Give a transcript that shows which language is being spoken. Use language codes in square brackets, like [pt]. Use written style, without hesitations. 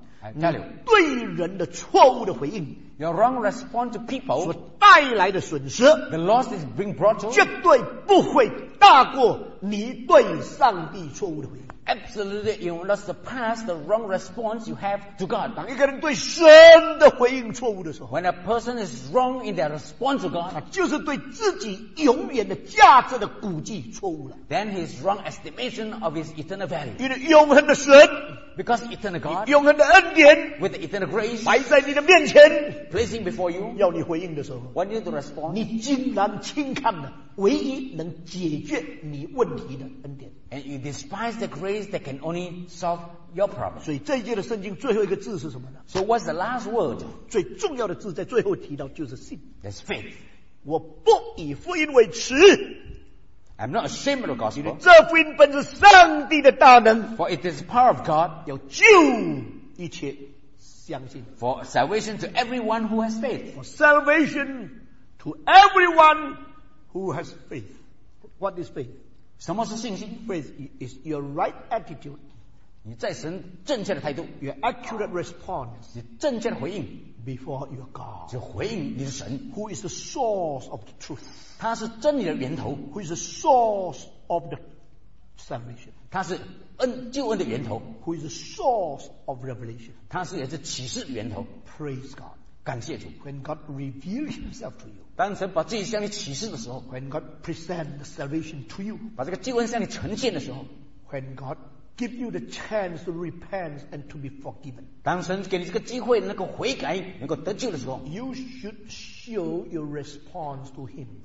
[en] I tell you, [zh] 你对人的错误的回应 [en] your wrong response to people, [zh] 所带来的损失 [en] the loss is being brought to, [zh] 绝对不会大过你对上帝错误的回应 [en] Absolutely, you will not surpass the wrong response you have to God. [zh] 当一个人对神的回应错误的时候 [en] When a person is wrong in their response to God, [zh] 他就是对自己永远的价值的估计错误了 [en] Then his wrong estimation of his eternal value. [zh] 因为永恒的神 [en] Because eternal God, [zh] 永恒的恩典 [en] With the eternal grace, [zh] 摆在你的面前 [en] Placing before you, [zh] 要你回应的时候 [en] When you respond, [zh] 你竟然轻看了唯一能解决你问题的恩典 [en] and you despise the grace that can only solve your problem [zh] 所以这一节的圣经最后一个字是什么呢 [en] so what's the last word [zh] 最重要的字在最后提到就是信 [en] that's faith [zh] 我不以福音为耻 [en] I'm not ashamed of the gospel [zh] 这福音本是上帝的大能 [en] for it is the power of God [zh] 要救一切相信 [en] for salvation to everyone who has faith for salvation to everyoneWho has faith? What is faith? [zh] 什么是信心 [en] Faith is your right attitude. [zh] 你在神正确的态度 [en] Your accurate response. [zh] 你正确的回应 [en] Before your God. [zh] 就回应你的神 [en] Who is the source of the truth? [zh] 他是真理的源头 [en] Who is the source of the salvation? [zh] 他是恩救恩的源头 [en] Who is the source of revelation? [zh] 他是也是启示的源头 [en] Praise God. [zh] 感谢主。 [en] When God reveals Himself to you， [zh] 当神把自己向你启示的时候 [en] ，When God presents salvation to you， [zh] 把这个救恩向你呈现的时候 [en] ，When God give you the chance to repent and to be forgiven， [zh] 当神给你这个机会能够悔改，能够得救的时候 [en] ，You should show your response to Him，